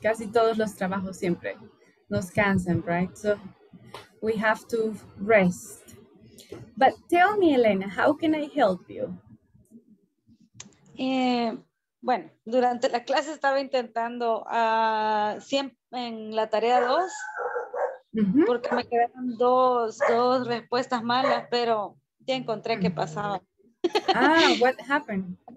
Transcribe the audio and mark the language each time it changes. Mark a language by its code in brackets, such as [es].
[es] Casi todos los trabajos siempre nos cansan, [en] right? So we have to rest. But tell me, Elena, how can I help you? [es] Bueno, durante la clase estaba intentando siempre en la tarea 2, porque me quedaron dos respuestas malas, pero ya encontré qué pasaba. [en] Ah, what happened?